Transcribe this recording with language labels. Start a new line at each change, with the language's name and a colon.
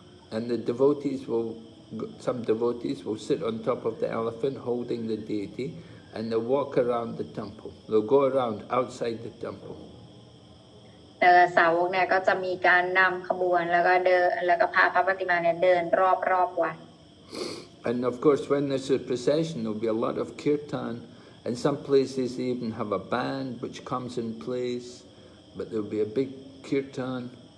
English: And the devotees will, some devotees will sit on top of the elephant holding the deity, and they'll walk around the temple. They'll go around outside the temple.
Thai: แต่สาวกเนี่ยก็จะมีการนำขบวนแล้วก็เดินแล้วก็พาพระปฏิมาเนี่ยเดินรอบวัด
English: And of course, when there's a procession, there'll be a lot of kirtan. And some places even have a band which comes and plays, but there'll be a big kirtan.